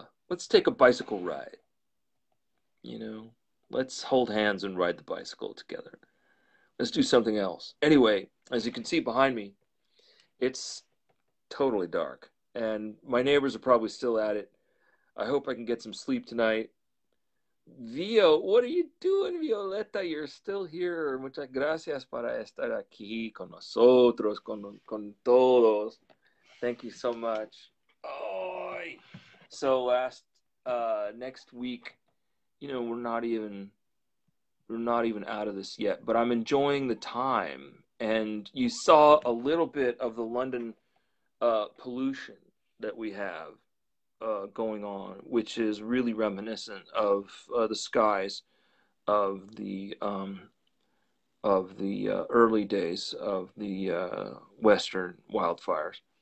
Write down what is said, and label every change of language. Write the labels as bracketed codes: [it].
[en] Let's take a bicycle ride. You know, let's hold hands and ride the bicycle together. Let's do something else. Anyway, as you can see behind me, it's totally dark. And my neighbors are probably still at it. I hope I can get some sleep tonight. Vio, what are you doing, Violeta? You're still here. [es] Muchas gracias para estar aquí con nosotros, con todos. [en] Thank you so much. Oy. So next week, you know, we're not even out of this yet, but I'm enjoying the time. And you saw a little bit of the London pollution that we have going on, which is really reminiscent of the skies of the early days of the Western wildfires.